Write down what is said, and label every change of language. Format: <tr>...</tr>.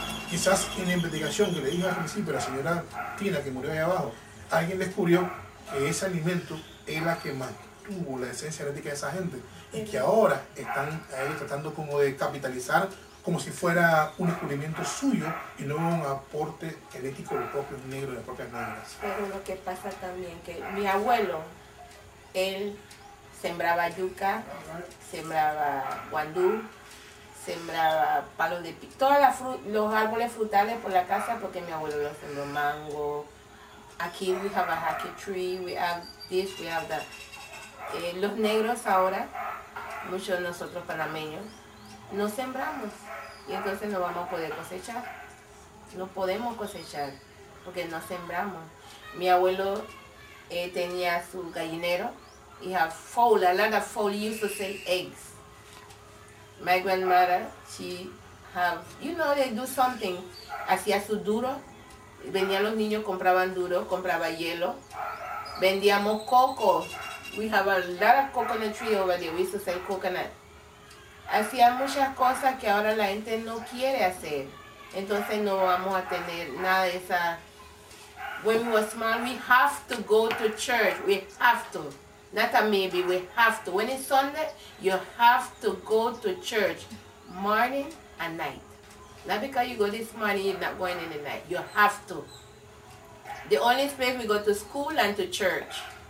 <es>Quizás en la investigación que le dije al principio, la señora Tina que murió ahí abajo, alguien descubrió que ese alimento es la que mantuvo la esencia genética de esa gente y que ahora están ahí tratando como de capitalizar como si fuera un descubrimiento suyo y no un aporte genético de los propios negros, de las propias negras. Pero lo que pasa también, que mi abuelo, él sembraba yuca, sembraba guandú, sembraba palos de pico, todos los árboles frutales por la casa, porque mi abuelo lo sembró mango.</es> <en>Aquí we have a hacky tree, we have this, we have that.</en> <es>Los negros ahora, muchos de nosotros panameños, no sembramos. Y entonces no vamos a poder cosechar. No podemos cosechar porque no sembramos. Mi abuelo tenía su gallinero.</es> <en>He had fowl, a lot of fowl used to say eggs. My grandmother, she have, you know, they do something.</en> <es>Hacía su duro. Venían los niños, compraban duro, compraba hielo. Vendíamos coco.</es> <en>We have a lot of coconut tree over there. We used to sell coconut.</en> <es>Hacía muchas cosas que ahora la gente no quiere hacer. Entonces no vamos a tener nada de esa.</es> <en>When we were small, we have to go to church. We have to. Not a maybe, we have to. When it's Sunday, you have to go to church morning and night. Not because you go this morning, you're not going in the night. You have to. The only place we go to school and to church.</en>